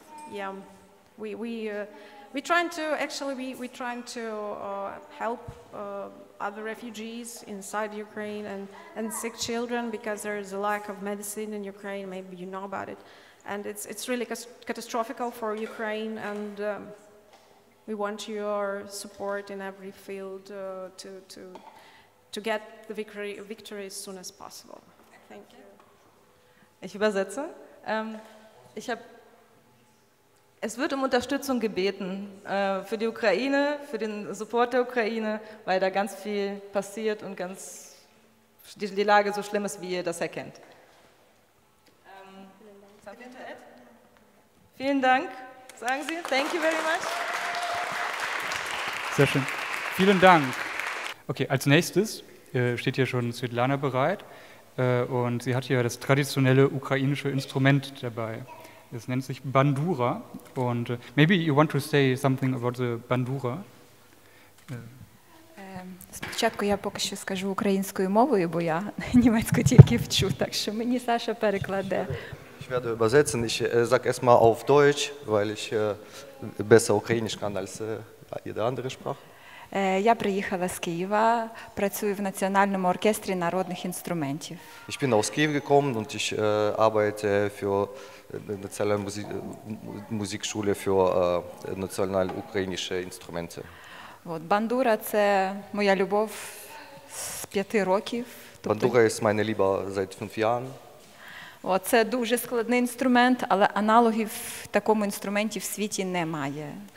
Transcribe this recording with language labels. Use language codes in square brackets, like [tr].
[en] yeah, we're trying to help other refugees inside Ukraine and sick children, because there is a lack of medicine in Ukraine, maybe you know about it, and it's really catastrophical for Ukraine, and we want your support in every field to get the victory as soon as possible. Thank you. [de] Ich übersetze. Ich habe, es wird um Unterstützung gebeten für die Ukraine, für den Support der Ukraine, weil da ganz viel passiert und ganz die Lage so schlimm ist, wie ihr das erkennt. Vielen Dank. Sagen Sie. [en] Thank you very much. [de] Sehr schön. Vielen Dank. Okay, als nächstes steht hier schon Svetlana bereit und sie hat hier das traditionelle ukrainische Instrument dabei. Es nennt sich Bandura und [en] maybe you want to say something about the Bandura? [uk] Спочатку я поки що скажу українською мовою, бо я німецьку тільки вчу, так що мені Саша перекладе. [de] Ich werde übersetzen, ich sage erstmal auf Deutsch, weil ich besser ukrainisch kann als jede andere Sprache. [uk] Я приїхала з Києва, працюю в національному оркестрі народних інструментів. [de] Ich bin aus Kiew gekommen und ich arbeite für die nationale Musikschule für national ukrainische Instrumente. [uk] Вот бандура це моя любов з 5 років. [de] Бандура ist meine Liebe seit 5 Jahren. [uk] О, це дуже складний інструмент, але аналогів в такому інструменті в світі немає.